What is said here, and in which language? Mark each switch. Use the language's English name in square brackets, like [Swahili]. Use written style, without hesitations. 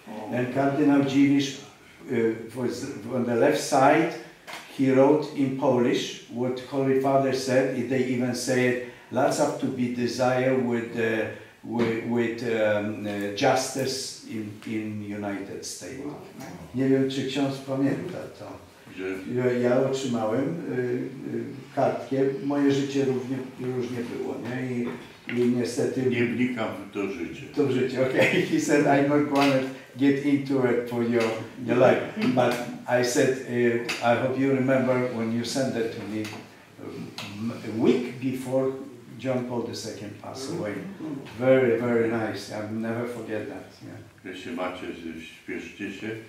[English] And Cardinal Dziwisz, on the left side, he wrote in Polish what Holy Father said. They even said, lots up to be desired with justice in United States. [Polish] Nie wiem, czy ksiądz pamięta to. Ja otrzymałem kartkę, moje życie różnie było. Nie? I niestety... Nie wnikam w to życie. To życie, okay. [English] He said, I'm not going to get into it for your life. But I said, I hope you remember when you sent that to me a week before John Paul II passed away. Very, very nice. I'll never forget that. Yeah. [Polish] Jeśli macie, śpieszcie się.